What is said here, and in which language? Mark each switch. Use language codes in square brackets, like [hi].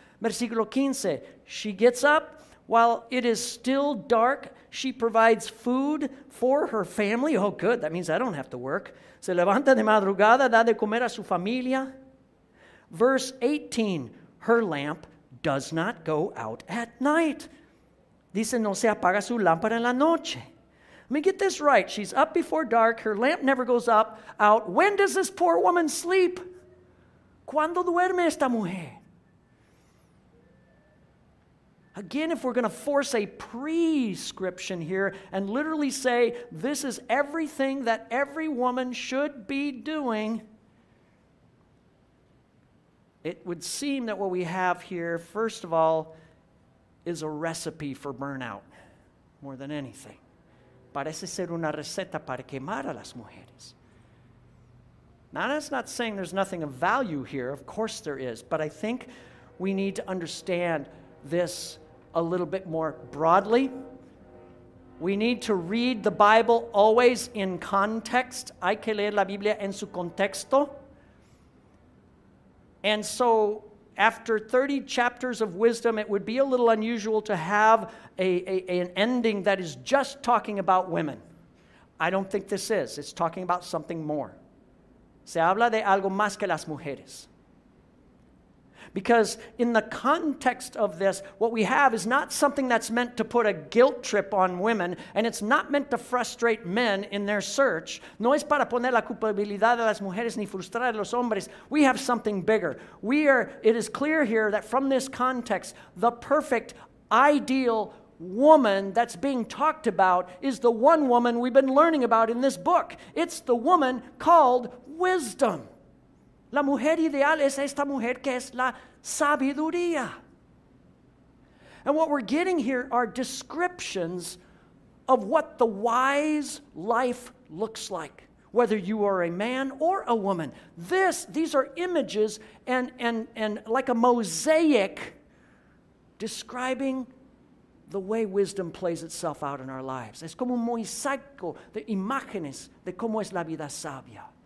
[en] Versículo 15. She gets up while it is still dark. She provides food for her family. Oh, good. That means I don't have to work. [es] Se levanta de madrugada, da de comer a su familia. [en] Verse 18. Her lamp does not go out at night. [es] Dice, no se apaga su lámpara en la noche. [en] Let me get this right. She's up before dark. Her lamp never goes up, out. When does this poor woman sleep? [es] ¿Cuándo duerme esta mujer? [en] Again, if we're going to force a prescription here and literally say this is everything that every woman should be doing, it would seem that what we have here, first of all, is a recipe for burnout more than anything. [es] Parece ser una receta para quemar a las mujeres. [en] Now, that's not saying there's nothing of value here. Of course there is. But I think we need to understand this a little bit more broadly. We need to read the Bible always in context. [es] Hay que leer la Biblia en su contexto. [en] And so, after 30 chapters of wisdom, it would be a little unusual to have an ending that is just talking about women. I don't think this is. It's talking about something more. [es] Se habla de algo más que las mujeres. [en] Because in the context of this, what we have is not something that's meant to put a guilt trip on women, and it's not meant to frustrate men in their search. [es] No es para poner la culpabilidad a las mujeres ni frustrar a los hombres. [en] We have something bigger. It is clear here that from this context, the perfect, ideal woman that's being talked about is the one woman we've been learning about in this book. It's the woman called wisdom. [es] La mujer ideal es esta mujer que es la sabiduría. [en] And what we're getting here are descriptions of what the wise life looks like, whether you are a man or a woman. These are images and like a mosaic describing the way wisdom plays itself out in our lives. [es] Es como un mosaico de imágenes de cómo es la vida sabia.